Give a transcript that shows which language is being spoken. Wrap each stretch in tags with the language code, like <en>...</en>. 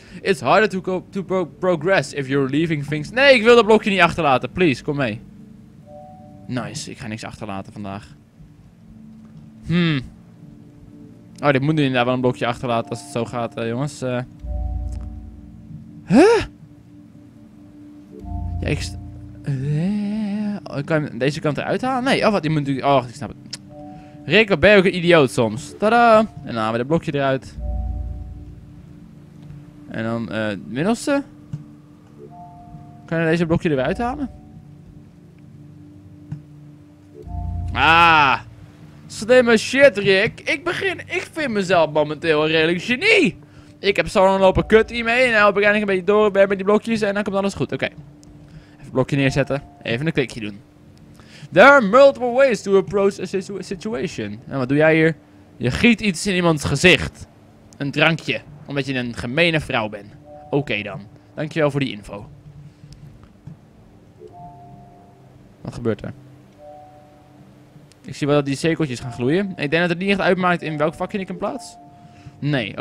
<en>It's harder to progress if you're leaving things...</en> <nl>Nee, ik wil dat blokje niet achterlaten. Please, kom mee. Nice, ik ga niks achterlaten vandaag. Oh, dit moet nu inderdaad wel een blokje achterlaten als het zo gaat, jongens. Huh? Ja, kan je deze kant eruit halen? Nee, oh, wat, die moet nu... Oh, ik snap het. Rick, wat ben je ook een idioot soms. Tadaa! En dan halen we dat blokje eruit. En dan, het middelste. Kan je deze blokje eruit halen? Ah! Slimme shit, Rick. Ik vind mezelf momenteel een redelijk genie. Ik heb zo'n lopen kut hiermee. En dan help ik eigenlijk een beetje door met die blokjes. En dan komt alles goed. Oké. Even een blokje neerzetten. Even een klikje doen.</nl> <en>There are multiple ways to approach a situation.</en> <nl>En wat doe jij hier? Je giet iets in iemands gezicht. Een drankje. Omdat je een gemene vrouw bent. Oké dan. Dankjewel voor die info. Wat gebeurt er? Ik zie wel dat die cirkeltjes gaan gloeien. Ik denk dat het niet echt uitmaakt in welk vakje ik hem plaats. Nee.</nl>